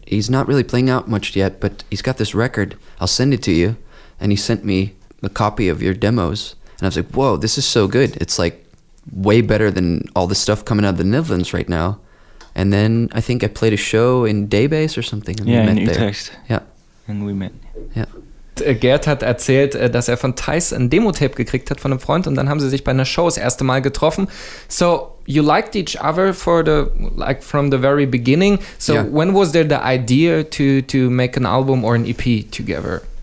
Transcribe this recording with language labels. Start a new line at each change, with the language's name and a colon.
English: He's not really playing out much yet, but he's got this record. I'll send it to you." And he sent me a copy of your demos. And I was like, "Whoa, this is so good. It's like way better than all the stuff coming out of the Netherlands right now." And then I think I played a show in Daybase or something. And yeah, we met in Utrecht. There. Yeah. And we met. Yeah.
German: Gerd hat erzählt, dass von Thijs ein Demo-Tape gekriegt hat von einem Freund und dann haben sie sich bei einer Show das erste Mal getroffen.
English: So, you liked each other from the very beginning. So, yeah. When was there the idea to make an album or an EP together?